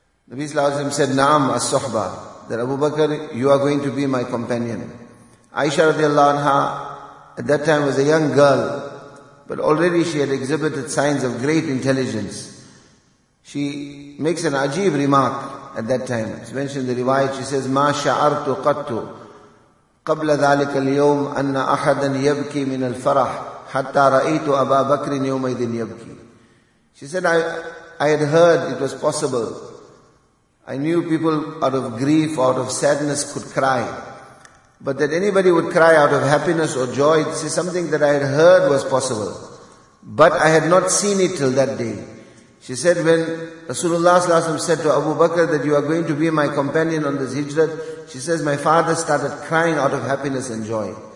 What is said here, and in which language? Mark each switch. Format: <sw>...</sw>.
<en>Nabi sallallahu alaihi wasallam said, naam as-suhba, that Abu Bakr, you are going to be my companion. Aisha radiallahu anha at that time was a young girl, but already she had exhibited signs of great intelligence. She makes an ajeeb remark. At that time, it's mentioned in the riwayat, she says,</en> <ar>مَا شَعَرْتُ قَطُّ قَبْلَ ذَلِكَ الْيَوْمِ أَنَّ أَحَدًا يَبْكِي مِنَ الْفَرَحِ حَتَّى رَأَيْتُ أَبَا بَكْرٍ يَوْمَيْذٍ يَبْكِي.</ar> <en>She said, I had heard it was possible. I knew people out of grief, out of sadness could cry. But that anybody would cry out of happiness or joy, this is something that I had heard was possible. But I had not seen it till that day. She said, when Rasulullah sallallahu alaihi wasallam said to Abu Bakr that you are going to be my companion on this hijrat, she says, my father started crying out of happiness and joy.</en>